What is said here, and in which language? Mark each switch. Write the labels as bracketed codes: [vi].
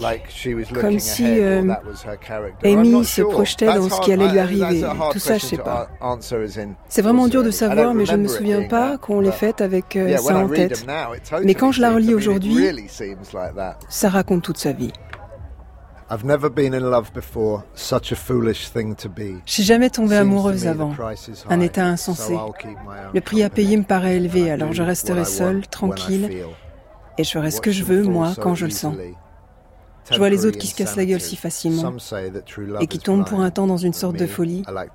[en] like she was [fr] comme si Amy se projetait dans ce qui allait lui arriver. Tout ça, je ne sais pas. C'est vraiment dur de savoir, mais je ne me souviens pas qu'on l'ait faite avec ça en tête. Mais quand je la relis aujourd'hui, ça raconte toute sa vie. [en] I've never been in love before, such a foolish thing to be. [fr] J'ai jamais tombé amoureuse avant. Un état insensé. Le prix à payer me paraît élevé, alors je resterai seule, tranquille, et je ferai ce que je veux, moi, quand je le sens. Je vois les autres qui se cassent la gueule si facilement et qui tombent pour un temps dans une sorte de folie.